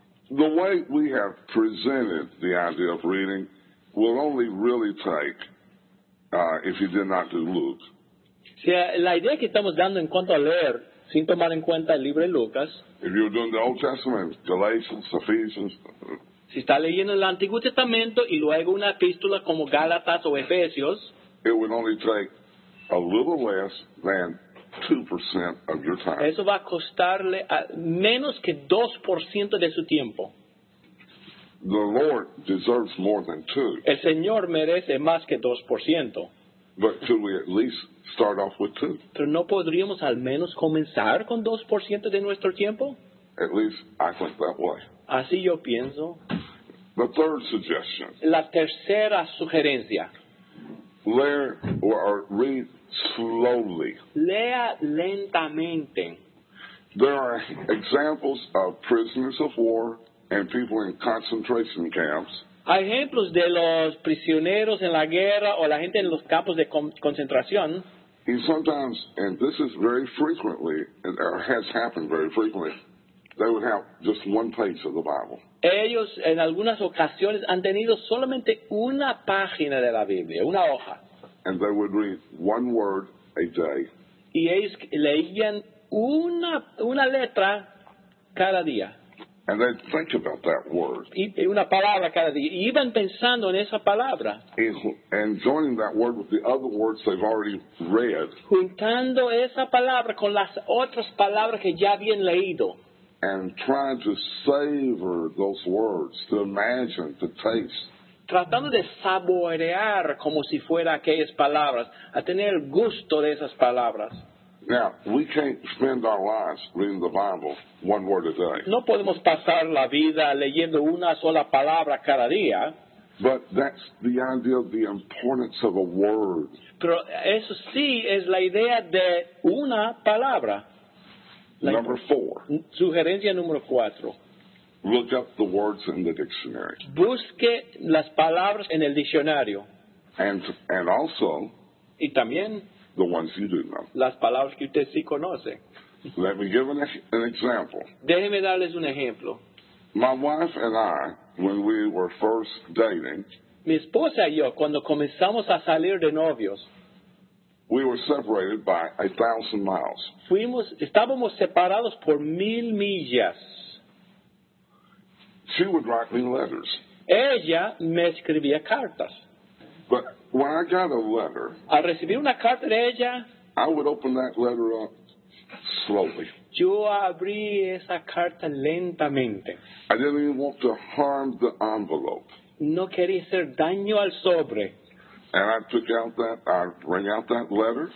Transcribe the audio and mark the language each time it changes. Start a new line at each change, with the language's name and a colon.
English: The way we have presented the idea of reading will only really take if you did not do Luke.
Spanish: Sí, la idea que estamos dando en cuanto a leer, sin tomar en cuenta el libro de Lucas.
English: If you're doing the Old Testament, Galatians, Ephesians.
Spanish: Si está leyendo el Antiguo Testamento y luego una epístola como Gálatas o Efesios,
English: it would only take a little less than 2% of your time.
Spanish: Eso va a costarle a menos que 2% de su tiempo.
English: The Lord deserves more than 2.
Spanish: El Señor merece más que 2%.
English: But could we at least start off with 2?
Spanish: ¿Pero no podríamos al menos comenzar con 2% de nuestro tiempo?
English: At least I think that way.
Spanish: Así yo pienso.
English: The third suggestion.
Spanish: La tercera sugerencia.
English: Lear or read slowly.
Spanish: Lea lentamente.
English: There are examples of prisoners of war and people in concentration camps.
Spanish: Hay ejemplos de los prisioneros en la guerra o la gente en los campos de concentración.
English: And sometimes, and this is very frequently, or has happened very frequently, they would have just one page of the Bible.
Spanish: Ellos en algunas ocasiones han tenido solamente una página de la Biblia, una hoja.
English: And they would read one word a day.
Spanish: Y ellos leían una letra cada día.
English: And they'd think about that word.
Spanish: Y una palabra cada día. Y iban pensando en esa palabra.
English: And joining that word with the other words they've already read.
Spanish: Juntando esa palabra con las otras palabras que ya habían leído.
English: And trying to savor those words, to imagine, to taste.
Spanish: Tratando de saborear como si fuera aquellas palabras, a tener gusto de esas palabras.
English: Now, we can't spend our lives reading the Bible one word a day.
Spanish: No podemos pasar la vida leyendo una sola palabra cada día.
English: But that's the idea of the importance of a word.
Spanish: Pero eso sí es la idea de una palabra.
English: Like number 4.
Spanish: Sugerencia número 4.
English: Look up the words in the dictionary.
Spanish: Busque las palabras en el diccionario.
English: And also.
Spanish: Y también.
English: The ones you do know.
Spanish: Las palabras que usted sí conoce.
English: Let me give an example.
Spanish: Déjeme darles un ejemplo.
English: My wife and I, when we were first dating.
Spanish: Mi esposa y yo, cuando comenzamos a salir de novios.
English: We were separated by 1,000 miles.
Spanish: Estábamos separados por 1,000 millas.
English: She would write me letters.
Spanish: Ella me escribía cartas.
English: But when I got a letter,
Spanish: al recibir una carta de ella,
English: I would open that letter up slowly.
Spanish: Yo abrí esa carta lentamente.
English: I didn't even want to harm the envelope.
Spanish: No quería hacer daño al sobre.
English: And I took out that, I bring out that letter.